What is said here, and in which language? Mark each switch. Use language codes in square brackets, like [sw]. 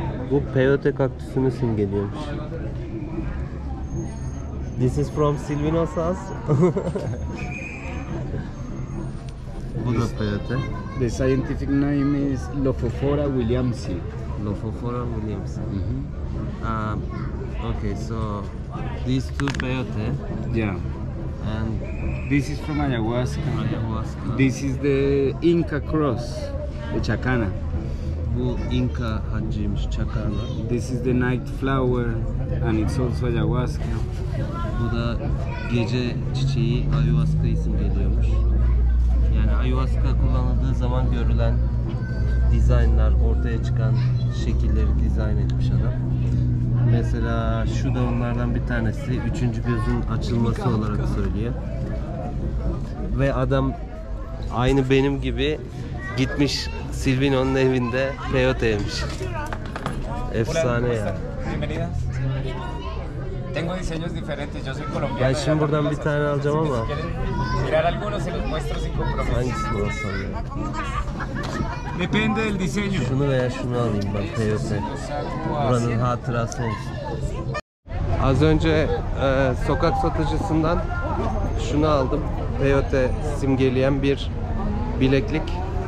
[tr] Bu peyote kaktüsünü simgeliyormuş. [en] This is from Silvino Sass. [tr] Bu da peyote. [en] The scientific name is Lophophora williamsi. Lophophora williamsi. Mm-hmm. Okay, so these two peyote. Yeah. And this is from ayahuasca. Ayahuasca. This is the Inca cross, the chacana. [tr] Bu Inca hacıymış, çakarla. [en] This is the night flower and it's also ayahuasca. [tr] Bu da gece çiçeği, ayahuasca isim geliyormuş. Yani ayahuasca kullanıldığı zaman görülen dizaynlar, ortaya çıkan şekilleri dizayn etmiş adam. Mesela şu da onlardan bir tanesi, üçüncü gözün açılması olarak söylüyor. Ve adam aynı benim gibi gitmiş Silvino'nun evinde peyote yemiş. Efsane ya. [es] Tengo diseños diferentes. Yo soy colombiano. [tr] Ben şimdi buradan bir tane alacağım ama. [es] Mirar algunos se los muestro sin compromiso. [tr] Hangisi bu olsa ya? [es] Depende del diseño. [tr] Şunu veya şunu alayım ben peyote. Buranın hatırası olsun. Az önce sokak satıcısından şunu aldım. Peyote simgeleyen bir bileklik.